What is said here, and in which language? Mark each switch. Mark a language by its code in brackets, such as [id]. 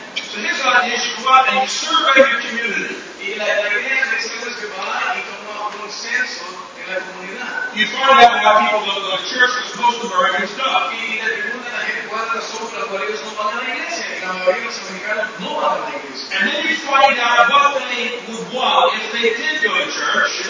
[en] So here's the idea, you go out and you survey your community. [es] Y la idea de eso es que va y toma un censo en la comunidad. [en] you find out why people don't go to church because most Americans stop. And then you find out what they would want if they did go to church.